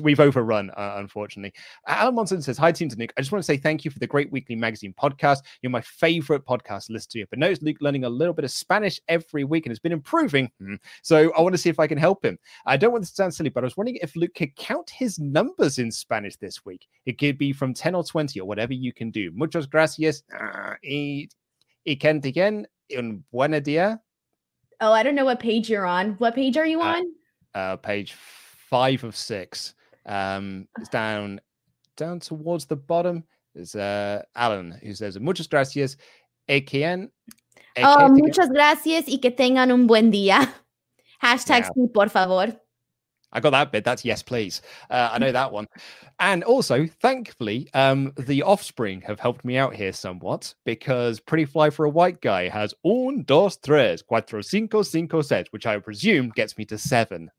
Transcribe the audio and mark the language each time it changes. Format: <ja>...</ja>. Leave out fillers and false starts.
<en>We've overrun, unfortunately. Alan Monson says, hi team to Nick. I just want to say thank you for the great weekly magazine podcast. You're my favorite podcast to listen to. But notice Luke learning a little bit of Spanish every week and has been improving. So I want to see if I can help him. I don't want this to sound silly, but I was wondering if Luke could count his numbers in Spanish this week. It could be from 10 or 20 or whatever you can do.</en> <es>Muchas gracias.</es> <en>Yes,</en> <es>y que digan un buen día.</es> <en>Oh, I don't know what page you're on. What page are you on? Page 5 of 6. It's down towards the bottom. There's Alan who says,</en> <es>muchas gracias. Muchas gracias y que tengan un buen día.</es> <en>Hashtag yeah.</en> <es>Por favor.</es> <en>I got that bit. That's yes, please. I know that one. And also, thankfully, the Offspring have helped me out here somewhat because Pretty Fly for a White Guy has</en> <es>un, dos, tres, cuatro, cinco, cinco, seis,</es> <en>which I presume gets me to 7.</en>